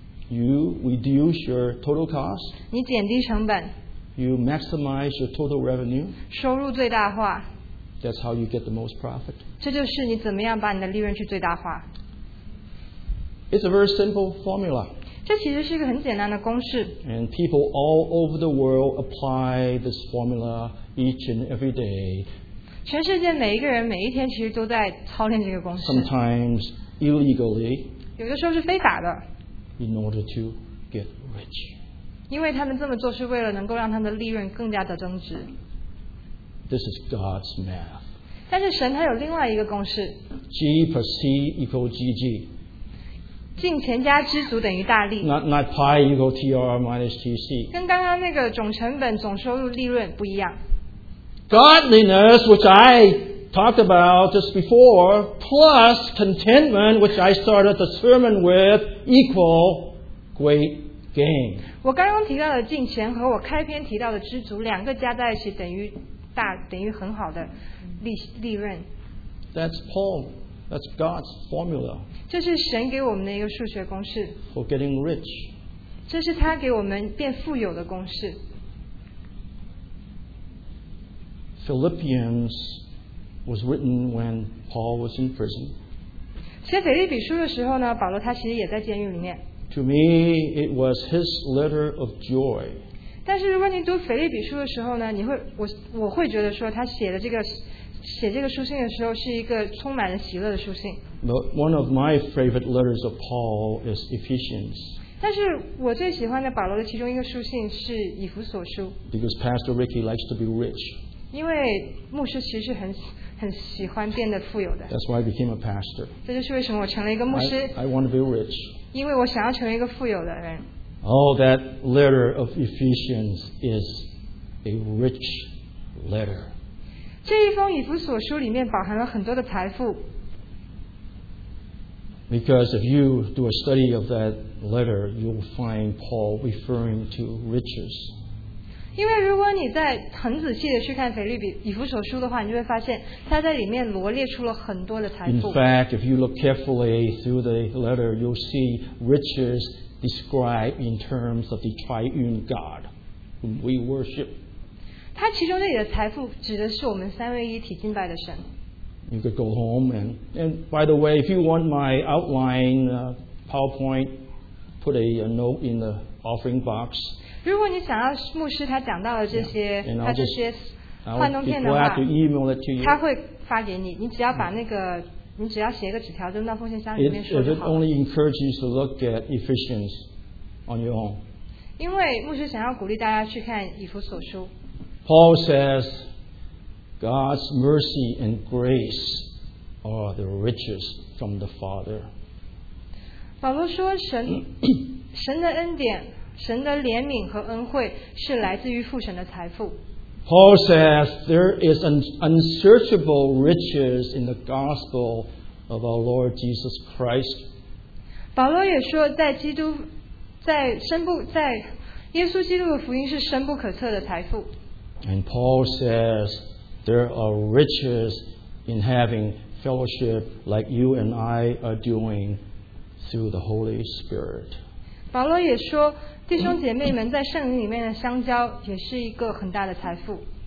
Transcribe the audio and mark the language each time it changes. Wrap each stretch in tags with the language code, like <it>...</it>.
<en>？You reduce your total cost.</en> <zh>你减低成本。</zh> <en>You maximize your total revenue.</en> <zh>收入最大化。</zh> <en>That's how you get the most profit.</en> <zh>这就是你怎么样把你的利润去最大化。</zh> <en>It's a very simple formula.</en> <zh>这其实是一个很简单的公式。</zh> <en>And people all over the world apply this formula each and every day.</en> <zh>全世界每一个人每一天其实都在操练这个公式。</zh> <en>Sometimes illegally.</en> <zh>有的时候是非法的。</zh> <en>In order to get rich.</en> <zh>因为他们这么做是为了能够让他们的利润更加的增值。</zh> <en>This is God's math.</en> <zh>但是神他有另外一个公式。</zh> <en>G plus C equal GG.</en> <zh>进钱加知足等于大利。</zh> <en>Not pi equal TR minus TC.</en> <zh>跟刚刚那个总成本、总收入、利润不一样。</zh> <en>Godliness, which I talked about just before, plus contentment, which I started the sermon with, equal great gain.</en> <zh>我刚刚提到的敬虔和我开篇提到的知足，两个加在一起等于很好的利润。</zh> <en>That's Paul. That's God's formula.</en> <zh>这是神给我们的一个数学公式。</zh> <en>For getting rich.</en> <zh>这是他给我们变富有的公式。</zh> <en>Philippians was written when Paul was in prison.</en> <zh>写腓立比书的时候呢，保罗他其实也在监狱里面。</zh> <en>To me, it was his letter of joy.</en> <zh>但是如果你读腓立比书的时候呢，我会觉得说他写这个书信的时候是一个充满了喜乐的书信。</zh> <en>One of my favorite letters of Paul is Ephesians.</en> <zh>但是我最喜欢的保罗的其中一个书信是以弗所书。</zh> <en>Because Pastor Ricky likes to be rich.</en> <zh>因为牧师其实很喜欢变得富有的。</zh> <en>That's why I became a pastor.</en> <zh>这就是为什么我成了一个牧师。</zh> <en>I want to be rich.</en> <zh>因为我想要成为一个富有的人。</zh> <en>Oh, that letter of Ephesians is a rich letter.</en> <zh>这一封以弗所书里面包含了很多的财富。</zh> <en>Because if you do a study of that letter, you will find Paul referring to riches.</en> <zh>因为如果你在很仔细的去看腓立比以弗所书的话，你就会发现他在里面罗列出了很多的财富。</zh> <en>In fact, if you look carefully through the letter, you'll see riches described in terms of the triune God whom we worship.</en> <zh>他其中这里的财富指的是我们三位一体敬拜的神。</zh> <en>You could go home and by the way, if you want my outline PowerPoint, put a note in the offering box.</en> <zh>如果你想要牧师他讲到的这些 yeah, 他这些幻灯片的话</zh> <en>I'll be glad to email it to you.</en> <zh>他会发给你，你只要把那个、你只要写一个纸条扔到奉献箱里面说就好。</zh> <en>It only encourages you to look at Ephesians on your own.</en> <zh>因为牧师想要鼓励大家去看以弗所书。</zh> <en>Paul says, God's mercy and grace are the riches from the Father.</en> <zh>保罗说神神的恩典神的怜悯和恩惠是来自于父神的财富。</zh> <en>Paul says, there is an unsearchable riches in the gospel of our Lord Jesus Christ.</en> <zh>保罗也说在基督在深不在耶稣基督的福音是深不可测的财富。</zh> <en>And Paul says there are riches in having fellowship like you and I are doing through the Holy Spirit.</en> <zh>保罗也说，弟兄姐妹们在圣灵里面的相交也是一个很大的财富。</zh>